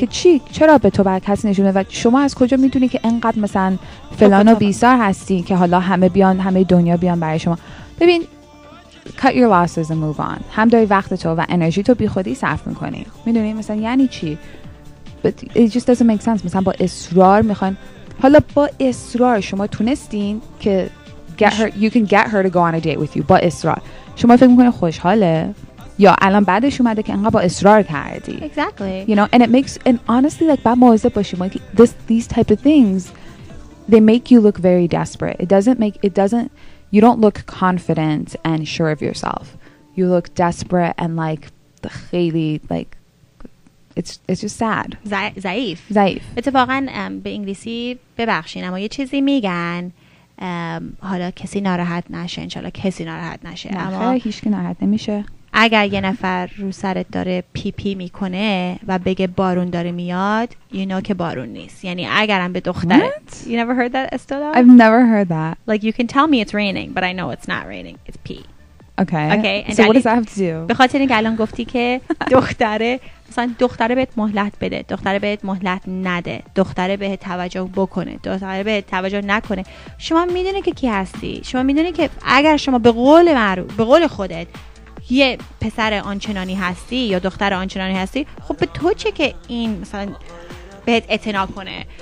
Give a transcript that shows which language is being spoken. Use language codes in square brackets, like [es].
[fa] که چی چرا به تو بر کسی نشونه و شما از کجا میدونی که انقدر مثلا فلان و بیسار هستی که حالا همه دنیا بیان برای شما ببین [en] cut your losses and move on [fa] هم داری وقت تو و انرژی تو بی خودی صرف میکنی میدونی مثلا یعنی چی [en] but it just doesn't make sense [fa] مثلا با اصرار میخواین حالا با اصرار شما تونستین که [en] get her you can get her to go on a date with you [fa] با اصرار شما فکر میکنی خوشحاله یا الان بعدش اومده که انقدر با اصرار کردی. [en] Exactly. You know, and it makes and honestly like [fa] بعد مواظب باشی ما [en] this these type of things they make you look very desperate. It doesn't you don't look confident and sure of yourself. You look desperate and like [fa] خیلی [en] like it's just sad. [fa] ضعیف. ضعیف. اتفاقا به انگلیسی ببخشین اما یه چیزی میگن حالا کسی ناراحت نشه ان شاء الله کسی ناراحت نشه اما هیچ کی ناراحت نمیشه. اگر یه نفر رو سرت داره پی پی میکنه و بگه بارون داره میاد [en] you know [fa] که بارون نیست یعنی اگرم به دختر [en] What? You never heard that Estella? I've never heard that. Like you can tell me it's raining but I know it's not raining it's pee. Okay. So what does that have to do? [fa] به خاطر اینکه الان گفتی که دختره مثلا دختره بهت مهلت بده دختره بهت مهلت نده دختره بهت توجه بکنه دختره بهت توجه نکنه شما میدونی که کی هستی شما میدونی که اگر شما به قول معروف به قول خودت یه پسر آنچنانی هستی یا دختر آنچنانی هستی خب به تو چه که این مثلا بهت اعتنا کنه